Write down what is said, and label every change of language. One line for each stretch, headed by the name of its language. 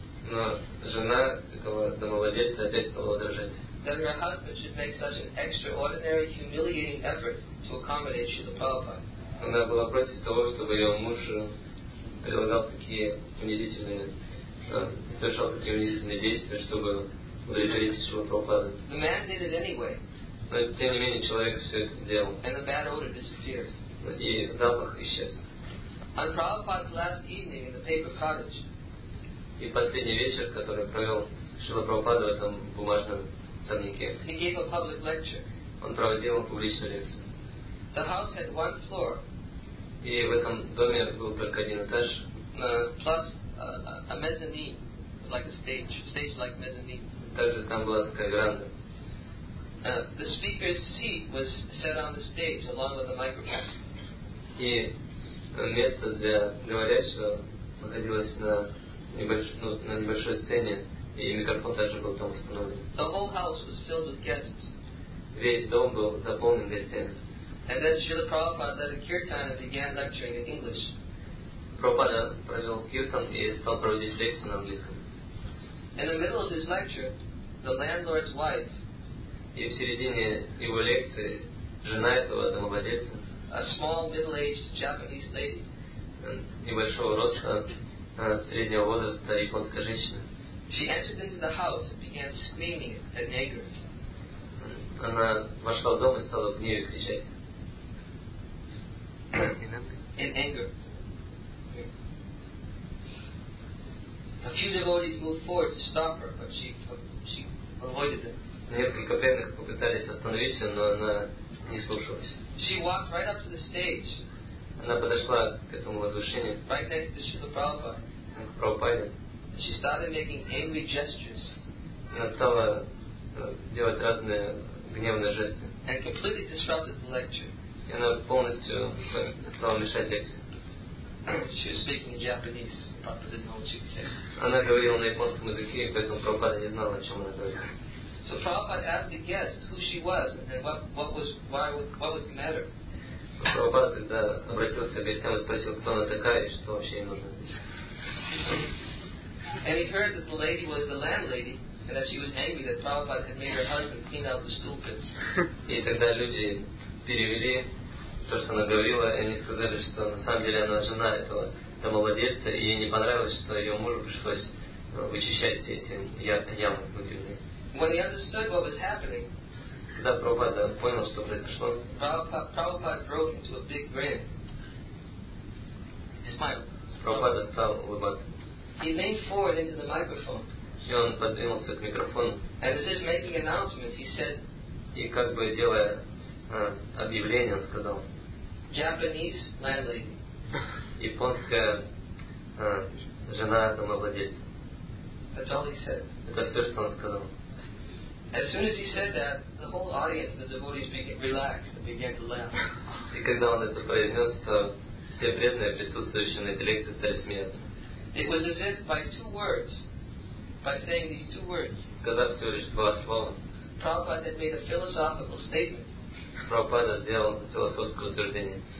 Russian: Но жена этого домовладельца опять стала возражать.
English: That her husband should make such an extraordinary, humiliating effort to accommodate Srila Prabhupada.
Russian: Она была против того, чтобы ее муж прилагал такие унизительные, совершал такие унизительные действия, чтобы
English: The man did it anyway. But,
Russian: тем не менее, человек все это сделал.
English: And the bad odor disappeared.
Russian: И запах исчез.
English: On Prabhupada's last evening in the paper cottage.
Russian: И последний вечер, который провел Шрила Прабхупада в этом бумажном сорняке.
English: He gave a public lecture.
Russian: Он проводил публичную лекцию.
English: The house had one floor.
Russian: И в этом доме был только один этаж.
English: Plus a mezzanine, like a stage like mezzanine.
Russian: Также там была такая веранда.
English: The speaker's seat was set on the stage along with the microphone.
Russian: И место для говорящего находилось на небольшой сцене, и микрофон также был там установлен.
English: The whole house was filled with guests.
Russian: Весь дом был заполнен гостями.
English: And then Srila Prabhupada led a kirtan and began lecturing in English.
Russian: Prabhupada провел kirtan и стал проводить лекцию на английском.
English: In the middle of his lecture, the landlord's wife.
Russian: И в середине его лекции жена этого домовладельца.
English: A small middle-aged Japanese lady.
Russian: Небольшого роста, среднего возраста японская женщина.
English: She entered into the house and began screaming at Nagar.
Russian: Она вошла в дом и стала гневно кричать.
English: In anger. A few devotees moved forward to stop her, but she avoided them.
Russian: Несколько преданных попытались остановиться, но она не слушалась.
English: She walked right up to the stage.
Russian: Она подошла к этому возвышению.
English: Right next to Srila Prabhupada.
Russian: К Прабхупаде.
English: She started making angry gestures.
Russian: Она стала делать разные гневные жесты.
English: And completely disrupted the lecture.
Russian: И она полностью стала мешать лекции.
English: She was speaking in Japanese, but didn't know what she was saying.
Russian: Она говорила на японском языке, поэтому Прабхупада не знала, о чем она говорила.
English: So Prabhupada asked the guests who she was and what was the matter.
Russian: Prabhupada тогда обратился к гостям и спросил, кто она такая и что вообще ей нужно.
English: And he heard that the lady was the landlady and that she was angry that Prabhupada had made her husband clean out the stool pits.
Russian: И тогда люди перевели то, что она говорила, и они сказали, что на самом деле она жена этого домовладельца, и ей не понравилось, что ее мужу пришлось вычищать все эти ямы внутренние.
English: When he understood what was happening,
Russian: когда Прабхупада понял, что произошло,
English: Prabhupada broke into a big grin. He smiled.
Russian: Прабхупада стал улыбаться.
English: He leaned forward into the microphone.
Russian: И он подвинулся к микрофону.
English: And as if making an announcement, he said,
Russian: и как бы делая объявление, он сказал,
English: Japanese landlady.
Russian: Японская жена домовладельца.
English: That's all he said.
Russian: Это все, что он сказал.
English: As soon as he said that, the whole audience, the devotees, began relaxed and began to laugh.
Russian: И когда он это произнес, то все преданные, присутствующие на этой лекции, стали смеяться.
English: It was as if by two words, by saying these two words,
Russian: сказав всего лишь два слова,
English: Prabhupada had made a philosophical statement.
Russian: Прабхупада сделал философское утверждение,